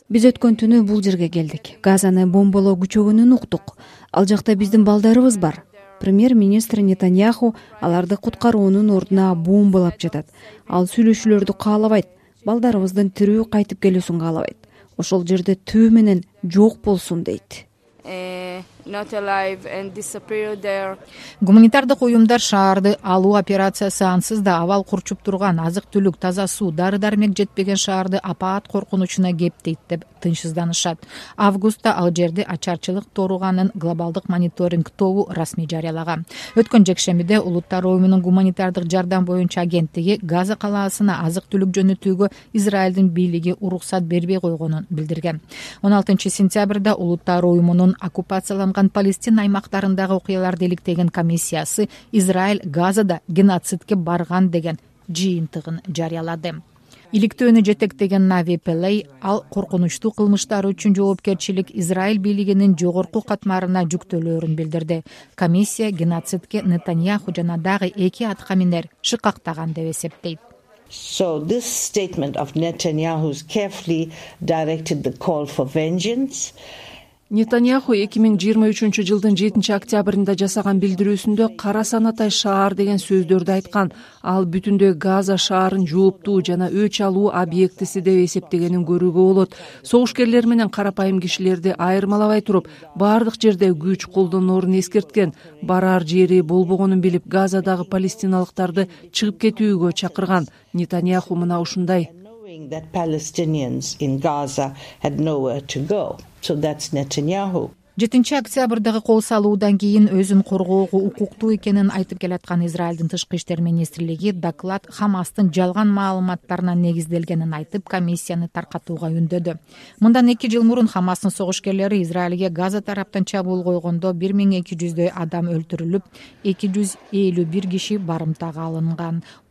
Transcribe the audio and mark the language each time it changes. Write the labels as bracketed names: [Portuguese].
[Kyrgyz] Биз өткөн түнү бул жерге келдик. Газаны бомбалоо күчөгүнүн уктук. Ал жакта биздин балдарыбыз бар. Премьер-министр Нетаньяху аларды куткаруунун ордуна бомбалап жатат. Ал сүйлөшүүлөрдү каалабайт. Балдарыбыздын тирүү кайтып келүүсүн каалабайт. Ошол жерде түү менен жок болсун дейт. [English] not alive and disappear there. [Kyrgyz] Гуманитардык уюмдар шаарды алуу операциясы ансыз да абал курчуп турган, азык-түлүк, таза суу, дары-дармек жетпеген шаарды апаат коркунучуна кептейт деп тынчсызданышат. Августта ал жерде ачарчылык торуганын глобалдык мониторинг тобу расмий жарыялаган. Өткөн жекшембиде Улуттар Уюмунун гуманитардык жардам боюнча агенттиги Газа калаасына азык-түлүк жөнөтүүгө Израилдин бийлиги уруксат бербей койгонун билдирген. 16 сентябрда Улуттар Уюмунун оккупацияланган Палестина аймактарындагы окуяларды иликтеген комиссиясы Израиль Газада геноцидке барган деген жыйынтыгын жарыялады. Иликтөөнү жетектеген Нави Пелей ал коркунучтуу кылмыштары үчүн жоопкерчилик Израиль бийлигинин жогорку катмарына жүктөлөөрүн билдирди. Комиссия геноцидке Нетаньяху жана дагы эки аткаминер шыкактаган деп эсептейт. [English] So this statement of Netanyahu's carefully directed the call for vengeance. [Kyrgyz] Нетаньяху 2023 жылдын 7 октябрында жасаган билдирүүсүндө «кара санатай шаар» деген сөздөрдү айткан. Ал бүтүндөй Газа шаарын жооптуу жана өч алуу объектиси деп эсептегенин көрүүгө болот. Согушкерлер менен карапайым кишилерди айырмалабай туруп, бардык жерде күч колдонорун эскерткен, барар жери болбогонун билип, Газадагы палестиналыктарды чыгып кетүүгө чакырган. Нетаньяху мына ушундай: [English] that Palestinians in Gaza had nowhere to go. So that's Netanyahu. [Kyrgyz] 7 октябрдагы кол салуудан кийин өзүн коргоого укуктуу экенин айтып келаткан Израилдин тышкы иштер министрлиги доклад Хамастын жалган маалыматтарына негизделгенин айтып, комиссияны таркатууга үндөдү. Мындан 2 жыл мурун Хамастын согушкерлери Израилге Газа тараптан чабуул койгондо 1200 адам өлтүрүлүп, 251 киши барымтага алынган.